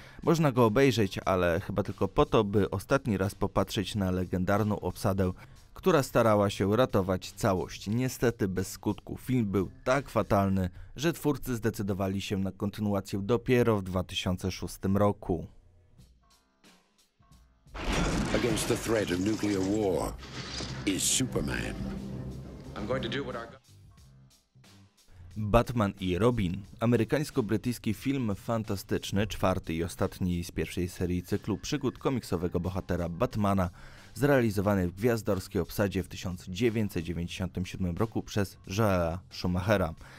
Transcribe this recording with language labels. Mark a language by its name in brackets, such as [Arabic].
[Polish] Można go obejrzeć, ale chyba tylko po to, by ostatni raz popatrzeć na legendarną obsadę, która starała się ratować całość. Niestety bez skutku. Film był tak fatalny, że twórcy zdecydowali się na kontynuację dopiero w 2006 roku. [English] Against the threat of nuclear war is Superman. I'm going to do what our... Batman i Robin. [Polish] Amerykańsko-brytyjski film fantastyczny, czwarty i ostatni z pierwszej serii cyklu przygód komiksowego bohatera Batmana, zrealizowany w gwiazdorskiej obsadzie w 1997 roku przez Joela Schumachera.